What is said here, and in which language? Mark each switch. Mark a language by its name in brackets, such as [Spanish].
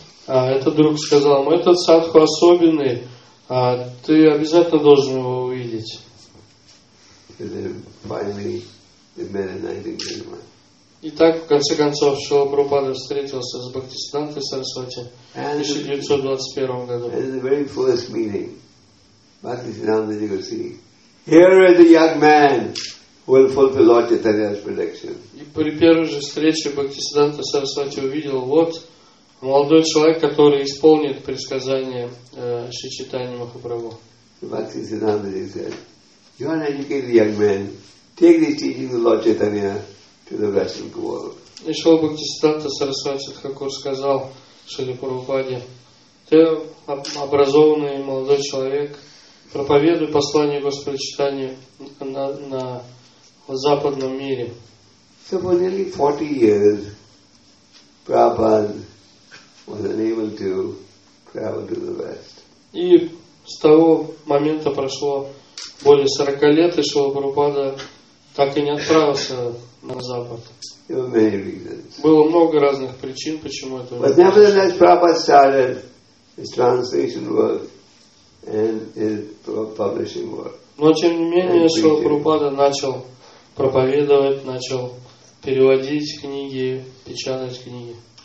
[Russian] Этот друг сказал ему: "Этот садху особенный. Ты обязательно должен его увидеть." [English] And then finally, they met in 1921. [Russian] И так, в конце концов, Шрила Прабхупада встретился с Бхактисиддхантой Сарасвати в 1921 году. [English] And in the very first meeting, Bhaktisiddhanta Devi, "Here is a young man will fulfill Lord Chaitanya's prediction." [Russian] И при первой же встрече Бхактисиддханта Сарасвати увидел: вот молодой человек, который исполнит предсказание Шри Чайтаньи Махапрабху. [English] Бхактисиддханта said, "You are an educated young man. Take this teaching to Lord Chaitanya to the Western world." [Russian] И Шрила Бхактисиддханта Сарасвати Тхакур сказал Шриле Прабхупаде: "Ты образованный молодой человек. Проповедуй послание Господа Чайтаньи на в западном мире." [English] So for nearly 40 years, Prabhupada was unable to travel to the West. [Russian] И с того момента прошло более 40 лет, и Шрила Прабхупада так и не отправился на запад. [English] There were many reasons. [Russian] Было много разных причин, почему это. [English] But nevertheless, Prabhupada started his translation work and his publishing work. [Russian] Но тем не менее Шрила Прабхупада начал проповедовать, начал переводить книги, печатать книги.